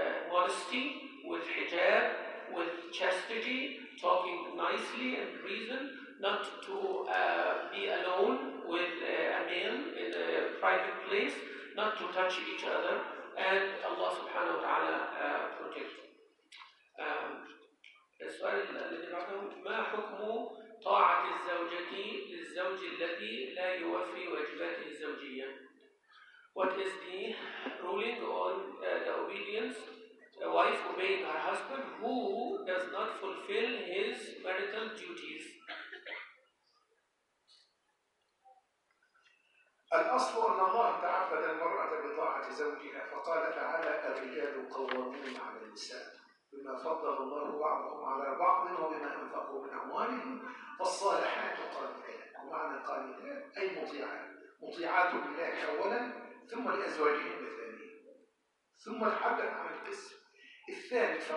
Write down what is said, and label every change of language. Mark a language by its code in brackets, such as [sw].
[en] modesty, with hijab, with chastity, talking nicely and reason, not to be alone with a male in a private place, not to touch each other, and Allah subhanahu wa ta'ala protect. [ar] السؤال الذي نحن ما حكم طاعة الزوجة للزوج الذي لا يوفي واجباته الزوجية؟ [en] What is the ruling on the obedience? A wife obeying her husband who does not fulfill his marital duties. [ar] الأصل أن الله تعبد المرأة بطاعة زوجها فقال تعالى الرجال قوامون على النساء بما فضل الله بعضهم على بعض وبما أنفقوا من أموالهم فالصالحات قانتات، ومعنى قانتات أي مطيعات، مطيعات لله أولا ثم لأزواجهم الثانية ثم العبد عن القسم الثالث.